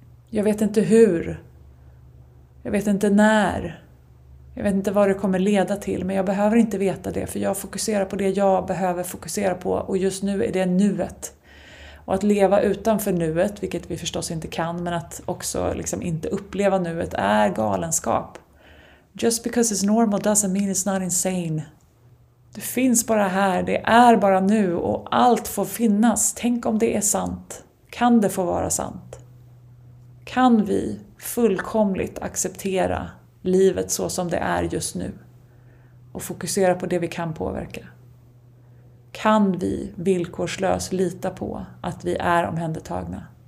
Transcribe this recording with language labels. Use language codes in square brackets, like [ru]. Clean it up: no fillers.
[sv] Jag vet inte hur. Jag vet inte när. Jag vet inte vad det kommer leda till, men jag behöver inte veta det, för jag fokuserar på det jag behöver fokusera på, och just nu är det nuet. Och att leva utanför nuet, vilket vi förstås inte kan, men att också liksom inte uppleva nuet är galenskap. [en] Just because it's normal doesn't mean it's not insane. [sv] Det finns bara här, det är bara nu, och allt får finnas. Tänk om det är sant. Kan det få vara sant? Kan vi fullkomligt acceptera livet så som det är just nu? Och fokusera på det vi kan påverka? Kan vi villkorslöst lita på att vi är omhändertagna?